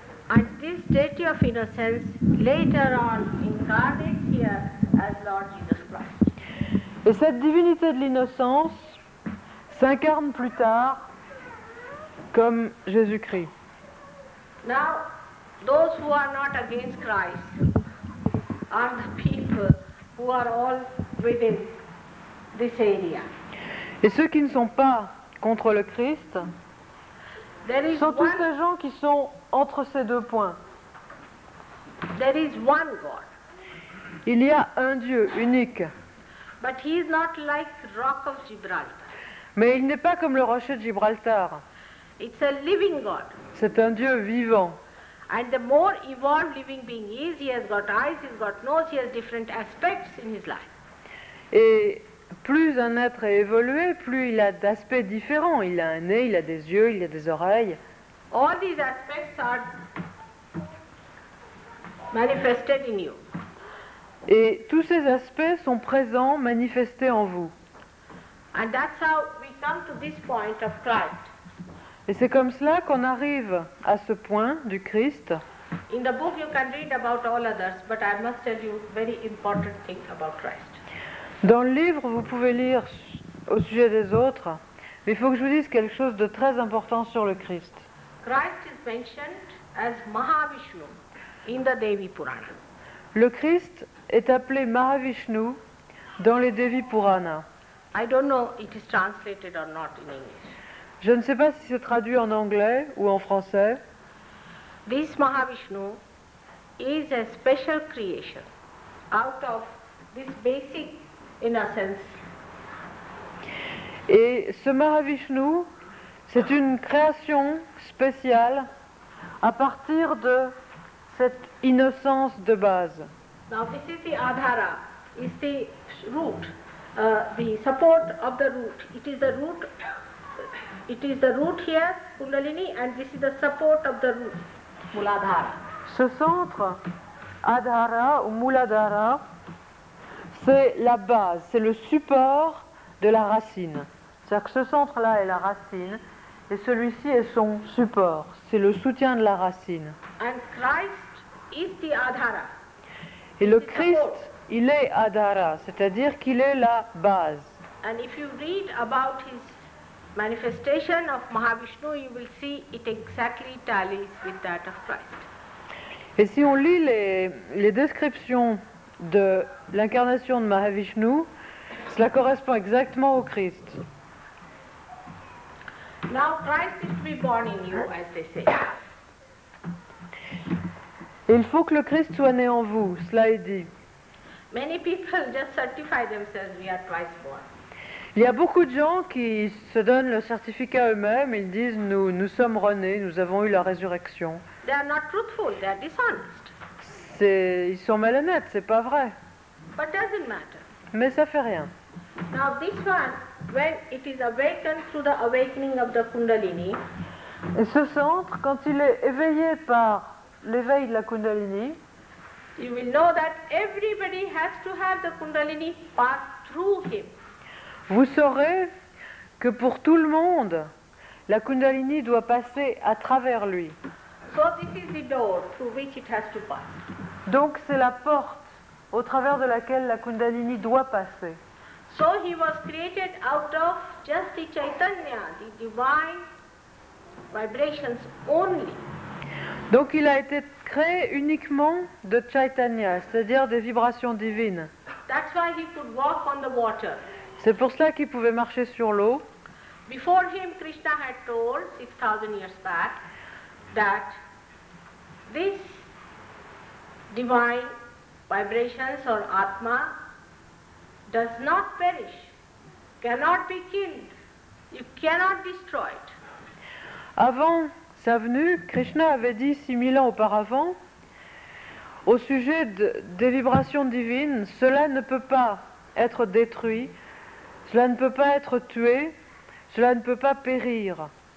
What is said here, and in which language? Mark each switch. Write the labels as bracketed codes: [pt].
[en] And this deity of innocence, later on, incarnate here, as Lord Jesus Christ. [fr] Et cette divinité de l'innocence s'incarne plus tard comme Jésus-Christ. [en] Now, those who are not against Christ are the people who are all within this area. [fr] Et ceux qui ne sont pas contre le Christ sont tous ces gens qui sont entre ces deux points. [en] There is one God. [fr] Il y a un Dieu unique. [en] But he is not like rock of Gibraltar. [fr] Mais il n'est pas comme le rocher de Gibraltar. [en] It's a living God. [fr] C'est un Dieu vivant. [en] And the more evolved living being he is, he has got eyes, he has got nose, he has different aspects in his life. [fr] Et plus un être est évolué, plus il a d'aspects différents. Il a un nez, il a des yeux, il a des oreilles. [en] All these aspects are manifested in you. [fr] Et tous ces aspects sont présents, manifestés en vous. [en] And that's how we come to this point of Christ. [fr] Et c'est comme cela qu'on arrive à ce point du Christ. [en] In the book you can read about all others, but I must tell you very important thing about Christ. [fr] Dans le livre, vous pouvez lire au sujet des autres, mais il faut que je vous dise quelque chose de très important sur le Christ. [en] Christ is mentioned as Mahavishnu in the Devi Purana. [fr] Le Christ est appelé Mahavishnu dans les Devi Purana. [en] I don't know if it is translated or not in English. [fr] Je ne sais pas si c'est traduit en anglais ou en français. [en] this Mahavishnu is a special creation out of this basic innocence. [fr] Et ce Mahavishnu, c'est une création spéciale à partir de cette innocence de base. [en] Now this is the Adhara, is the root, the support of the root. It is the root here, Kundalini, and this is the support of the root, Muladhara. [fr] Ce centre, Adhara ou Muladhara, c'est la base, c'est le support de la racine. C'est-à-dire que ce centre-là est la racine, et celui-ci est son support, c'est le soutien de la racine. [en] And Christ is the Adhara. [fr] Et le Christ, il est Adhara, c'est-à-dire qu'il est la base. [en] And if you read about his manifestation of Mahavishnu, you will see it exactly tallies with that of Christ. [fr] Et si on lit les descriptions de l'incarnation de Mahavishnu, cela correspond exactement au Christ. [en] Now Christ is to be born in you, as they say. [fr] Et il faut que le Christ soit né en vous, cela est dit. [en] Many people just certify themselves we are twice born. [fr] Il y a beaucoup de gens qui se donnent le certificat eux-mêmes, ils disent nous sommes renés, nous avons eu la résurrection. [en] They are not truthful, they are dishonest. [fr] Ils sont malhonnêtes, c'est pas vrai. [en] But doesn't matter. [fr] Mais ça fait rien. [en] Now this one, when it is awakened through the awakening of the Kundalini. [fr] Et ce centre, quand il est éveillé par l'éveil de la Kundalini. [en] You will know that everybody has to have the Kundalini pass through him. [fr] Vous saurez que pour tout le monde, la Kundalini doit passer à travers lui. [en] So this is the door through which it has to pass. [fr] Donc c'est la porte au travers de laquelle la Kundalini doit passer. [en] So he was created out of just the Chaitanya, the divine vibrations only. [fr] Donc il a été créé uniquement de Chaitanya, c'est-à-dire des vibrations divines. [en] That's why he could walk on the water. [fr] C'est pour cela qu'il pouvait marcher sur l'eau. [en] Before him, Krishna had told 6,000 years back that this divine vibrations or Atma does not perish, cannot be killed, you cannot destroy it. [fr] Avant sa venue, Krishna avait dit 6,000 ans auparavant au sujet des vibrations divines, cela ne peut pas être détruit. Cela ne peut pas être tué, cela ne peut pas périr.